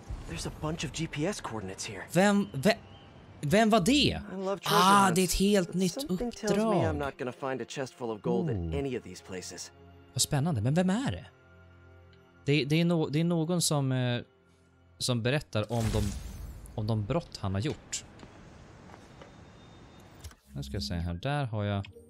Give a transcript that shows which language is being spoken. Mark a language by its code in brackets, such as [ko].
[en] There's a bunch of GPS coordinates here. [sv] Vem var det? Ah, det är ett helt nytt uppdrag. [en] I'm not gonna find a chest full of gold in any of these places. [sv] Vad spännande. Men vem är det? Det är någon som berättar om de brott han har gjort. Nu ska jag säga här, där har jag.